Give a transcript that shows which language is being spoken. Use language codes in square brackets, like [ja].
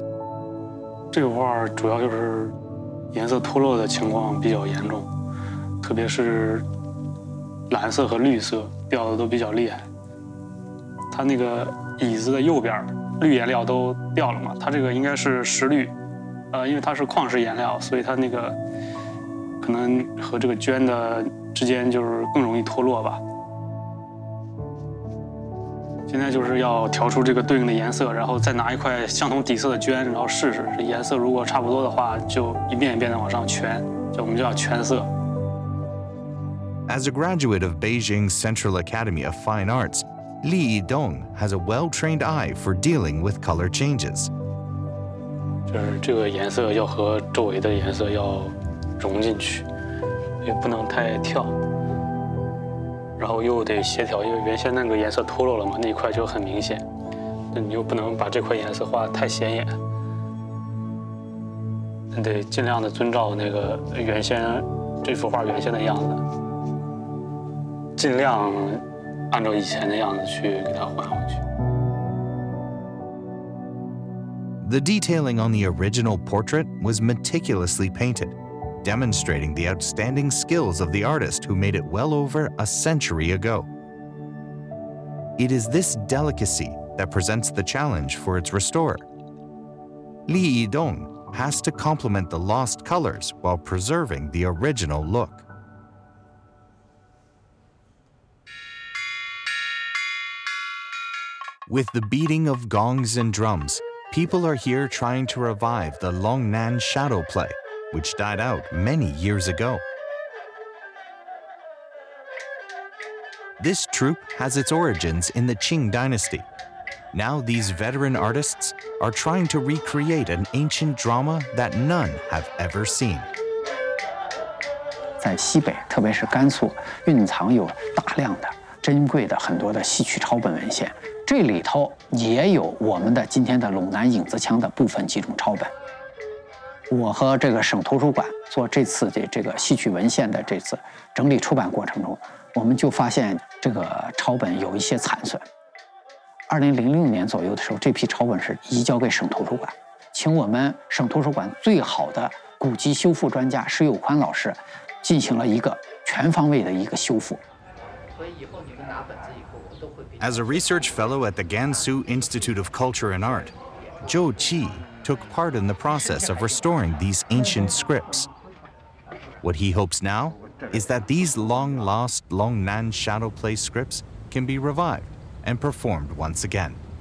[en] This piece is mainly because the color exposure situation is quite serious, especially the red and blue colors are quite strong. His chair's left side, the red material is all gone. This should be red, because it's a mineral color, so it's maybe with the green [zh] 之间就是更容易脱落吧。现在就是要调出这个对应的颜色，然后再拿一块相同底色的绢，然后试试这颜色，如果差不多的话，就一遍一遍的往上全，就我们叫全色。 [en] As a graduate of Beijing's Central Academy of Fine Arts, Li Yidong has a well-trained eye for dealing with color changes. [zh] 就是这个颜色要和周围的颜色要融进去。也不能太跳，然后又得协调，因为原先那个颜色脱落了嘛，那一块就很明显，那你又不能把这块颜色画太显眼，你得尽量的遵照那个原先这幅画原先的样子，尽量按照以前的样子去给它画回去。 [en] The detailing on the original portrait was meticulously painted. Demonstrating the outstanding skills of the artist who made it well over a century ago. It is this delicacy that presents the challenge for its restorer. Li Yidong has to complement the lost colors while preserving the original look. With the beating of gongs and drums, people are here trying to revive the Longnan shadow play. Which died out many years ago. This troupe has its origins in the Qing Dynasty. Now these veteran artists are trying to recreate an ancient drama that none have ever seen. [zh] 在西北，特别是甘肃，蕴藏有大量的珍贵的很多的戏曲抄本文献。这里头也有我们的今天的陇南影子腔的部分几种抄本。我和这个省图书馆做这次的这个戏曲文献的这次整理出版过程中，我们就发现这个抄本有一些残损。 2006年左右的时候，这批抄本是移交给省图书馆，请我们省图书馆最好的古籍修复专家石有宽老师进行了一个全方位的一个修复。所以以后你们拿本子以后，我都会。 [en] As a research fellow at the Gansu Institute of Culture and Art, Zhou Qi. Took part in the process of restoring these ancient scripts. What he hopes now is that these long-lost Longnan shadow play scripts can be revived and performed once again.